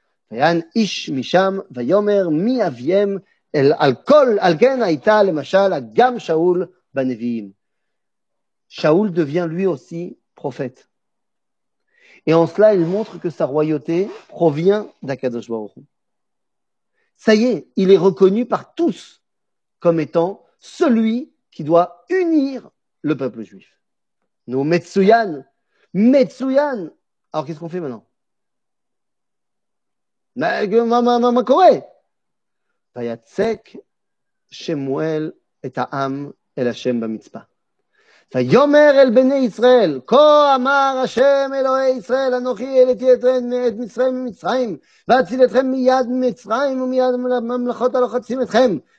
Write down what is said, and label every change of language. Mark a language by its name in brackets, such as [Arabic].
[Hebrew] Vayan, ish, misham, vayomer, mi aviem, אל על כל על כן הייתה למשל גם שאול בנביאים. [French] שאול devient lui aussi prophète. Et en cela, il montre que sa royauté provient d'Akadosh Baruch Hu. Ça y est, il est reconnu par tous comme étant celui qui doit unir le peuple juif. Nous, Metsuyan, Metsuyan. Alors qu'est-ce qu'on fait maintenant? Ma Corée. [Hebrew] ויצק שמואל את העם אל השם במצפה. ויאמר אל בני ישראל, כה אמר השם אלוהי ישראל, אנוכי העליתי את מצרים ממצרים, ואציל אתכם מיד מצרים ומיד ממלכות הלוחצים אתכם.